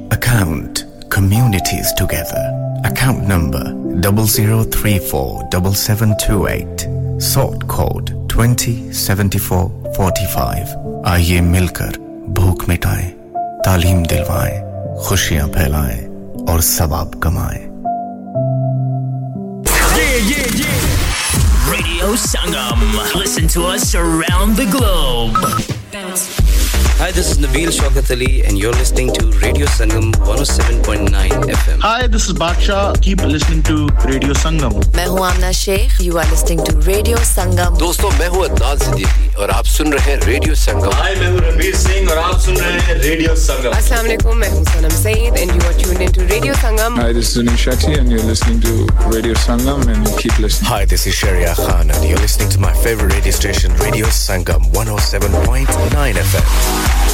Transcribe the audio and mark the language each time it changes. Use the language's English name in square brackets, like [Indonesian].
[English] Account communities together. Account number 00347728. Sort code 207445. [Hindi] आइए मिलकर भूख मिटाएं, तालीम दिलवाएं, खुशियां फैलाएं और सवाब कमाएं. [English] Radio Sangam. Listen to us around the globe. Hi, this is Nabeel Shaukat Ali and you're listening to Radio Sangam 107.9 FM. Hi, this is Baksha. Keep listening to Radio Sangam. [Hindi] मैं हूं आमना Sheikh. [English] You are listening to Radio Sangam. [Hindi] दोस्तों, मैं हूं अदनान सिद्दीकी और आप सुन रहे हैं Radio Sangam. Hi, मैं हूं रणवीर सिंह और आप सुन रहे हैं Radio Sangam. अस्सलाम वालेकुम, मैं हूं सनम Saeed [English] and you are tuned into Radio Sangam. Hi, this is Anil Shetty and you're listening to Radio Sangam and keep listening. Hi, this is Sharia Khan and you're listening to my favorite radio station Radio Sangam 107.9 FM.